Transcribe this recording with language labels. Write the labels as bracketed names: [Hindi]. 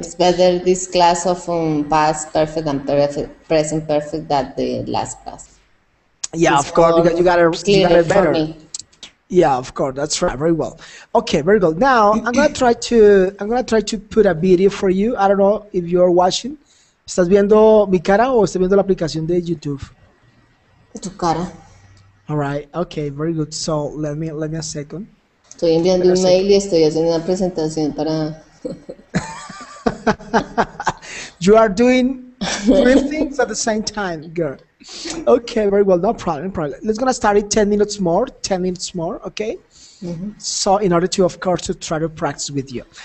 [English] It's better this class of past perfect and present perfect than the last class. Yeah, it's of course, because you got it better. For me. Yeah, of course, that's right. Very well. Okay, very good. Now, I'm gonna try to put a video for you. I don't know if you're watching. [Spanish] ¿Estás viendo mi cara o estás viendo la aplicación de YouTube? Tu cara. [English] All right, okay, very good. So, let me a second. [Spanish] Estoy enviando un mail y estoy haciendo una presentación para... [English] You are doing three things at the same time, girl. Okay, very well, no problem. Let's gonna start it 10 minutes more, okay? Mm-hmm. So in order to, of course, to try to practice with you.